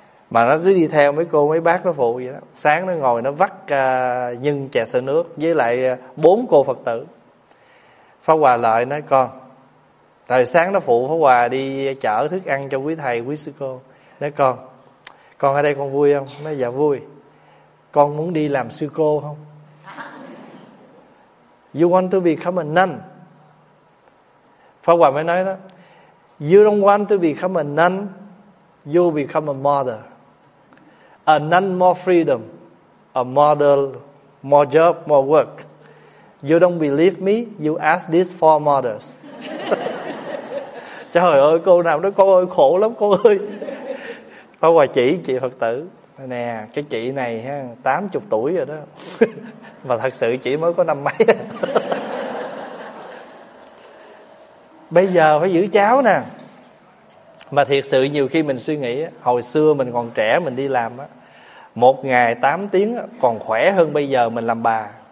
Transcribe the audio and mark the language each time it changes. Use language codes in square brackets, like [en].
[vi] Mà nó cứ đi theo mấy cô mấy bác nó phụ vậy đó. Sáng nó ngồi nó vắt nhân chè sữa nước với lại 4 cô Phật tử. Pháp Hòa lại nói, con, hồi sáng nó phụ Pháp Hòa đi chở thức ăn cho quý thầy, quý sư cô. Nói, con ở đây con vui không? Nói, dạ vui. Con muốn đi làm sư cô không? [en] You want to become a nun? [vi] Pháp Hòa mới nói đó, [en] you don't want to become a nun, you become a mother. A nun more freedom, a mother more job, more work. You don't believe me, you ask these 4 mothers. [vi] Trời ơi, cô nào đó, cô ơi, khổ lắm cô ơi. Có quà chị Phật tử nè, cái chị này ha 80 tuổi rồi đó. Mà thật sự chị mới có năm mấy. Bây giờ phải giữ cháu nè. Mà thiệt sự nhiều khi mình suy nghĩ, hồi xưa mình còn trẻ mình đi làm á, một ngày 8 tiếng còn khỏe hơn bây giờ mình làm bà.